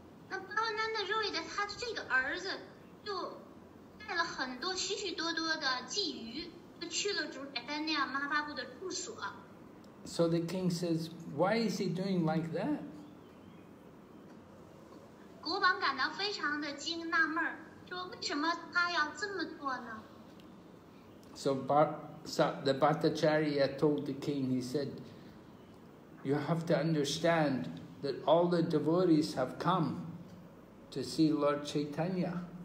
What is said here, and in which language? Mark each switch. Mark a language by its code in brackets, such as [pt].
[zh] Bhavananda Roy 的他这个儿子就带了很多许许多多的鲫鱼，就去了主宰丹尼亚马哈巴布的住所。 [en] So the king says, why is he doing like that? [zh] 国王感到非常的惊纳闷，说为什么他要这么做呢？ [en] So the Bhattacharya told the king, he said, you have to understand that all the devotees have come to see Lord Chaitanya.